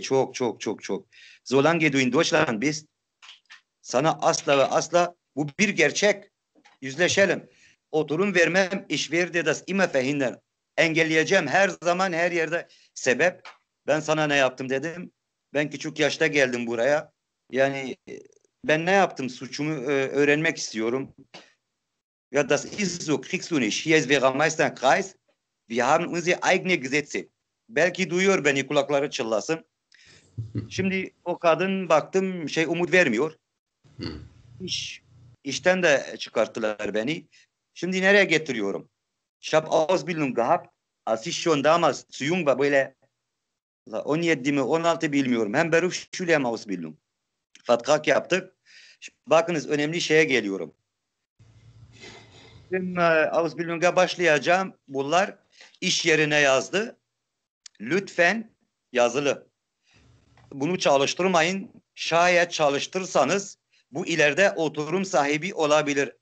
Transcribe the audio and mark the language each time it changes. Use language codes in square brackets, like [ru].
[tr] Çok çok çok çok. [de] So lange du in Deutschland bist, [tr] sana asla ve asla, bu bir gerçek. Yüzleşelim. Oturum vermem, iş verdi [de] das immer verhindern. [tr] Engelleyeceğim her zaman, her yerde. Sebep, ben sana ne yaptım dedim. Ben küçük yaşta geldim buraya. Yani ben ne yaptım, suçumu öğrenmek istiyorum. [de] Ja, das ist so, kriegst du nicht. Hier ist Bürgermeister Kreis. Wir haben unsere eigenen Gesetze. [tr] Belki duyuyor beni, kulakları çınlasın. Şimdi o kadın baktım, şey umut vermiyor. İşten de çıkarttılar beni. Şimdi nereye getiriyorum? [de] Ich habe Ausbildung gehabt, als ich schon damals zu jung war, [tr] böyle 17 mi 16 bilmiyorum. [de] Hem Berufsschule hem Ausbildung. [tr] Vertrag yaptık. Bakınız önemli şeye geliyorum. Ausbildung'a başlayacağım. Bunlar iş yerine yazdı. Lütfen yazılı. Bunu çalıştırmayın. Şayet çalıştırsanız bu ileride oturum sahibi olabilir.